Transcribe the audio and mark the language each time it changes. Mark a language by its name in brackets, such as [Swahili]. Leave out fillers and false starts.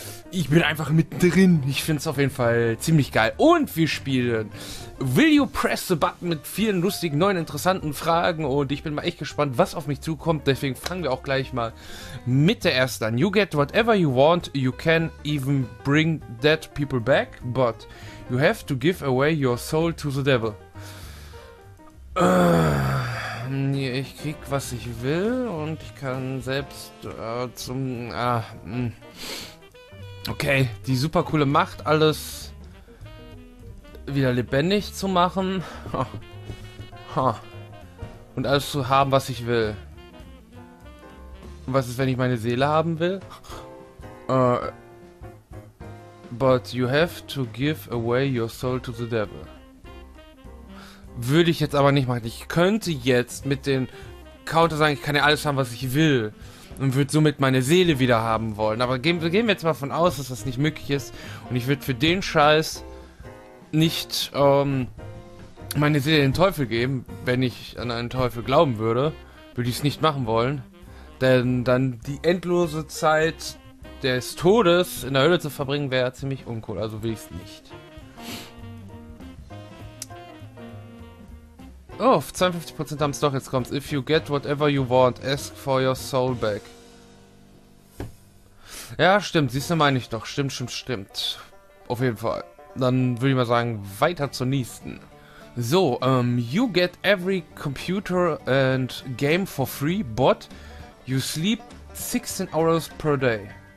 [German] Ich bin einfach mittendrin. Ich finde es auf jeden Fall ziemlich geil. Und wir spielen Will You Press the Button mit vielen lustigen, neuen, interessanten Fragen. Und ich bin mal echt gespannt, was auf mich zukommt. Deswegen fangen wir auch gleich mal mit der ersten an. [English] You get whatever you want. You can even bring dead people back. But you have to give away your soul to the devil. [German] Ich krieg, was ich will. Und ich kann selbst zum... Okay, die super coole Macht, alles wieder lebendig zu machen. Und alles zu haben, was ich will. Und was ist, wenn ich meine Seele haben will? [English] But you have to give away your soul to the devil. [German] Würde ich jetzt aber nicht machen. Ich könnte jetzt mit den Counter sagen, ich kann ja alles haben, was ich will. Und würde somit meine Seele wieder haben wollen. Aber gehen wir jetzt mal von aus, dass das nicht möglich ist. Und ich würde für den Scheiß nicht meine Seele den Teufel geben. Wenn ich an einen Teufel glauben würde, würde ich es nicht machen wollen. Denn dann die endlose Zeit des Todes in der Hölle zu verbringen, wäre ziemlich uncool. Also will ich es nicht. Oh, 52% haben es doch jetzt kommt. [English] If you get whatever you want, ask for your soul back. [German] Ja, stimmt. Siehst du, meine ich doch. Stimmt. Auf jeden Fall. Dann würde ich mal sagen, weiter zur nächsten. [English] So, you get every computer and game for free, but you sleep 16 hours per day.